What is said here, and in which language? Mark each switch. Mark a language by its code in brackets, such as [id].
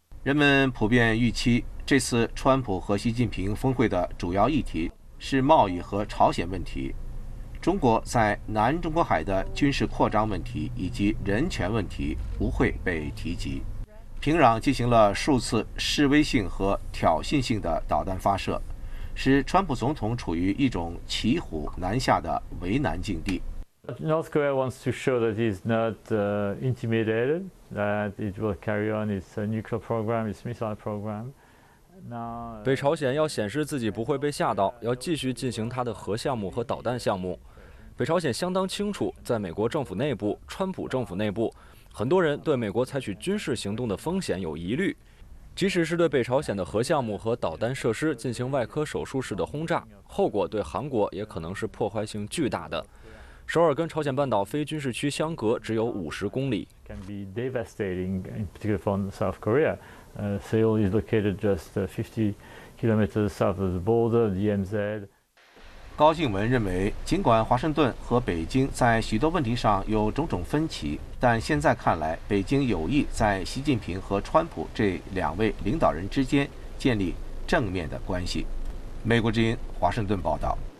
[zh] 人们普遍预期这次川普和习近平峰会的主要议题是贸易和朝鲜问题，中国在南中国海的军事扩张问题以及人权问题不会被提及。平壤进行了数次示威性和挑衅性的导弹发射，使川普总统处于一种骑虎难下的为难境地。 [en] North Korea wants to show that he's not intimidated, that it will carry on its nuclear program, its missile program. [zh] Now, 北朝鲜要显示自己不会被吓到，要继续进行它的核项目和导弹项目。北朝鲜相当清楚，在美国政府内部，川普政府内部，很多人对美国采取军事行动的风险有疑虑。即使是对北朝鲜的核项目和导弹设施进行外科手术式的轰炸，后果对韩国也可能是破坏性巨大的。首尔跟朝鲜半岛非军事区相隔只有50公里。 [en] Can be devastating, in particular for South Korea. Seoul is located just 50 kilometers south of the border, DMZ. [zh] 高静文认为，尽管华盛顿和北京在许多问题上有种种分歧，但现在看来，北京有意在习近平和川普这两位领导人之间建立正面的关系。美国之音华盛顿报道。